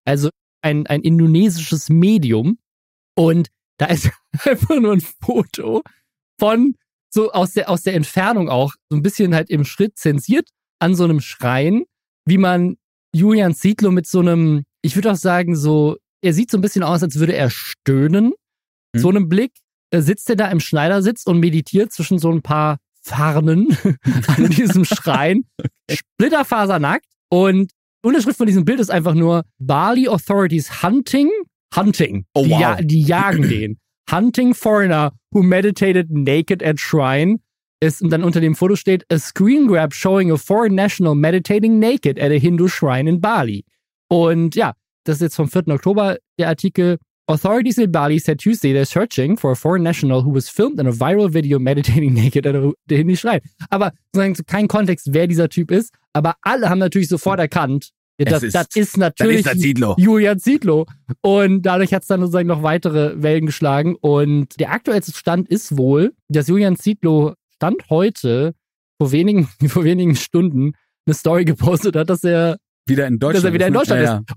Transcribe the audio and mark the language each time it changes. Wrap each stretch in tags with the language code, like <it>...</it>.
<de>So ein indonesisches Medium. Und da ist einfach nur ein Foto von, so aus der Entfernung auch, so ein bisschen halt im Schritt zensiert, an so einem Schrein, wie man Julian Zietlow mit so einem, ich würde auch sagen, so, er sieht so ein bisschen aus, als würde er stöhnen. Hm. So einem Blick sitzt er da im Schneidersitz und meditiert zwischen so ein paar Farnen an diesem Schrein. Splitterfasernackt. Und die Unterschrift von diesem Bild ist einfach nur</de> <en>Bali Authorities Hunting.</en> <de>Oh, wow. Die jagen den.</de> <en>Hunting foreigner who meditated naked at shrine.</en> <de>Und dann unter dem Foto steht,</de> <en>a screen grab showing a foreign national meditating naked at a Hindu shrine in Bali.</en> <de>Und ja, das ist jetzt vom 4. Oktober der Artikel.</de> <en>Authorities in Bali said Tuesday they're searching for a foreign national who was filmed in a viral video meditating naked at the Hindu Shrine.</en> <de>Aber sozusagen kein Kontext, wer dieser Typ ist. Aber alle haben natürlich sofort erkannt, das ist natürlich Julian Zietlow. Und dadurch hat es dann sozusagen noch weitere Wellen geschlagen. Und der aktuellste Stand ist wohl, dass Julian Zietlow Stand heute vor wenigen Stunden eine Story gepostet hat, dass er wieder in Deutschland ist.</de>